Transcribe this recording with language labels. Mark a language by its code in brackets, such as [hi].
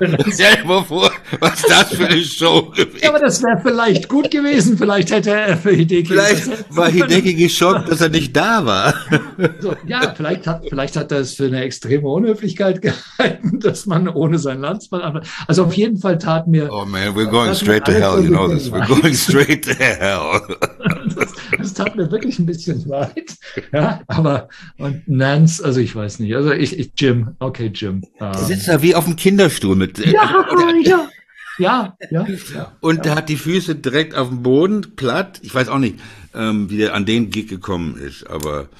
[de] Stell dir mal vor, was das für eine Show gewesen. Aber das wäre vielleicht gut gewesen, vielleicht hätte er für Hideki. Vielleicht war Hideki geschockt, dass er nicht da war. So, ja, vielleicht hat er es für eine extreme Unhöflichkeit gehalten, dass man ohne seinen Landsmann. Also auf jeden Fall tat mir. [en] Oh man, we're going straight to hell, you know this. We're going straight to hell. [de] Das tat mir wirklich ein bisschen leid. Ja, aber und Nance, also ich weiß nicht. Also ich Jim, okay, Jim. Der sitzt da wie auf dem Kinderstuhl mit. Ja. Und der hat die Füße direkt auf dem Boden, platt. Ich weiß auch nicht, wie der an den Gig gekommen ist, aber.